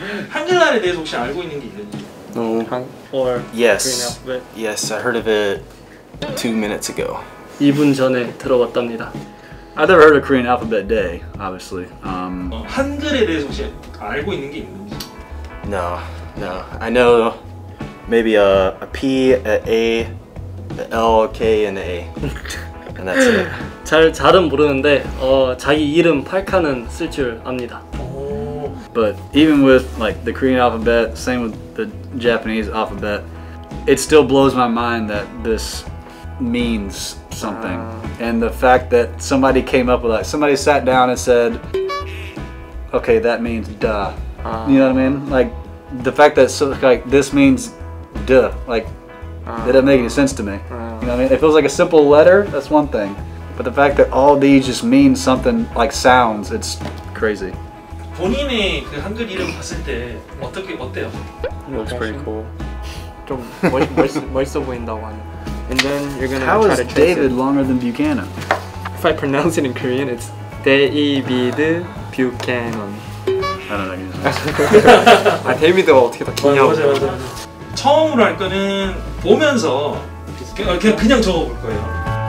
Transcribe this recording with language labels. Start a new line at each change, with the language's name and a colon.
Korean: 한글날에 대해서 혹시 알고 있는 게 있는지?
English: No. Or yes. Yes, I heard of it 2 minutes ago.
Korean: 2분 전에 들어봤답니다.
English: I've never heard of Korean alphabet day, obviously.
Korean: 한글에 대해서 혹시 알고 있는 게 있는지?
English: No. No, I know maybe a P, an A, an L, K, and an A, and that's it.
Korean: 잘은 모르는데 자기 이름 팔칸은 쓸 줄 압니다.
English: But even with like the Korean alphabet, same with the Japanese alphabet, it still blows my mind that this means something. And the fact that somebody came up with that, somebody sat down and said, okay, that means duh. You know what I mean? Like. The fact that so, like this means duh, like it doesn't make any sense to me. You know what I mean? If it was like a simple letter, that's one thing. But the fact that all these just mean something like sounds, it's crazy.
Korean: 본인의 그 한글 이름 봤을 때 어떻게 어때요?
English: Looks pretty cool.
Korean: 좀 멋있어 보인다고 하네.
English: And then you're gonna How try is to David Longer than Buchanan? If I pronounce it in Korean, it's David Buchanan. I don't know.
Korean: 아 데이비드가 어떻게 다 기냐고. 맞아 맞아. 처음으로 할 거는 보면서 그냥 적어볼 거예요.